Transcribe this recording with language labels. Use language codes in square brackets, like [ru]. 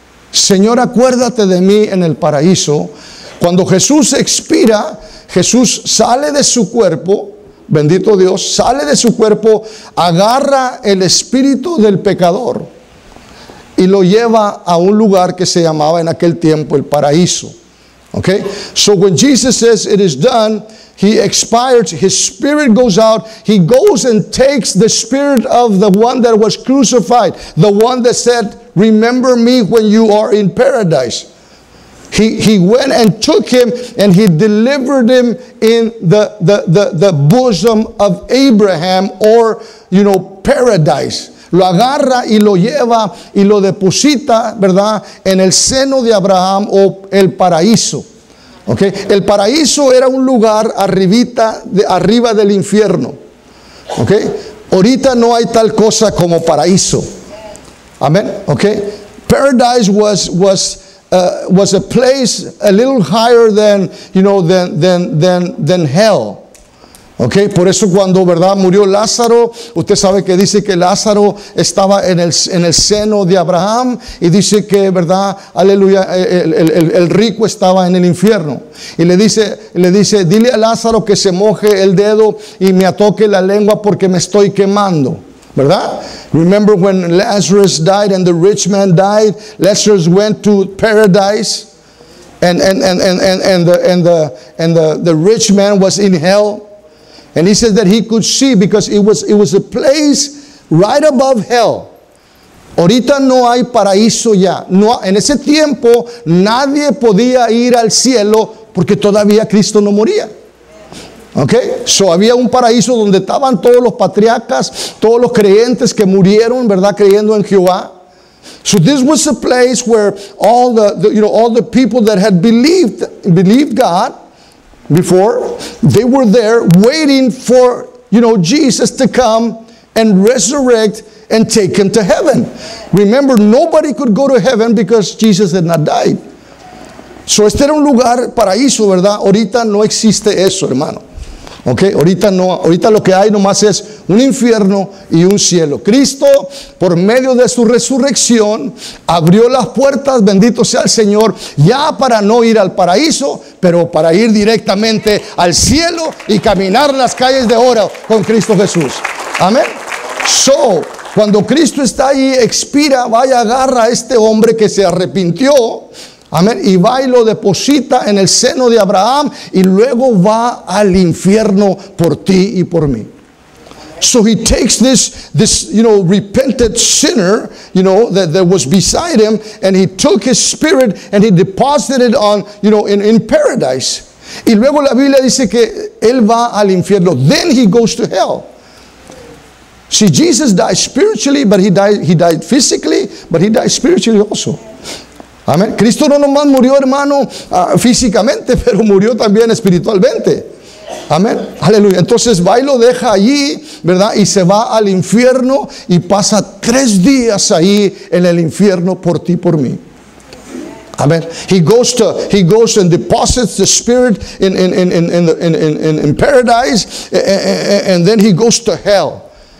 [es] Señor, acuérdate de mí en el paraíso. Cuando Jesús expira, Jesús sale de su cuerpo, bendito Dios, sale de su cuerpo, agarra el espíritu del pecador y lo lleva a un lugar que se llamaba en aquel tiempo el paraíso. [en] Okay? So when Jesus says it is done, he expires, his spirit goes out, he goes and takes the spirit of the one that was crucified, the one that said, remember me when you are in paradise. He went and took him and he delivered him in the bosom of Abraham, or, you know, paradise. [es] Lo agarra y lo lleva y lo deposita, ¿verdad?, en el seno de Abraham, o el paraíso. Okay? El paraíso era un lugar arribita, de arriba del infierno. Okay? Ahorita no hay tal cosa como paraíso. Amen. Okay? [en] Paradise was a place a little higher than, you know, than hell. [es] Okay, por eso cuando, ¿verdad?, murió Lázaro, usted sabe que dice que Lázaro estaba en el seno de Abraham, y dice que, ¿verdad?, aleluya, el rico estaba en el infierno. Y le dice, dile a Lázaro que se moje el dedo y me atoque la lengua porque me estoy quemando. ¿Verdad? [en] Remember when Lazarus died and the rich man died, Lazarus went to paradise and the rich man was in hell. And he says that he could see because it was a place right above hell. [es] Ahorita no hay paraíso ya. No, en ese tiempo nadie podía ir al cielo porque todavía Cristo no moría. Okay? So había un paraíso donde estaban todos los patriarcas, todos los creyentes que murieron, ¿verdad?, creyendo en Jehová. [en] So this was a place where all the you know, all the people that had believed God before, they were there waiting for, you know, Jesus to come and resurrect and take him to heaven. Remember, nobody could go to heaven because Jesus had not died. [es] So este era un lugar paraíso, ¿verdad? Ahorita no existe eso, hermano. Okay, ahorita no, ahorita lo que hay nomás es un infierno y un cielo. Cristo, por medio de su resurrección, abrió las puertas, bendito sea el Señor, ya para no ir al paraíso, pero para ir directamente al cielo y caminar las calles de oro con Cristo Jesús. Amén. So, cuando Cristo está ahí, expira, vaya, agarra a este hombre que se arrepintió. Amén. Y va y lo deposita en el seno de Abraham y luego va al infierno por ti y por mí. [en] So he takes this you know, repentant sinner, you know, that was beside him, and he took his spirit and he deposited on, you know, in paradise. [es] Y luego la Biblia dice que él va al infierno. [en] Then he goes to hell. See, Jesus died spiritually, but he died physically, but he died spiritually also. [es] Amén. Cristo no nomás murió, hermano, físicamente, pero murió también espiritualmente. Amén. Aleluya. Entonces va y lo deja allí, ¿verdad? Y se va al infierno y pasa 3 días ahí en el infierno por ti, por mí. [en] Amen. He goes and deposits the spirit in paradise, and then he goes to hell.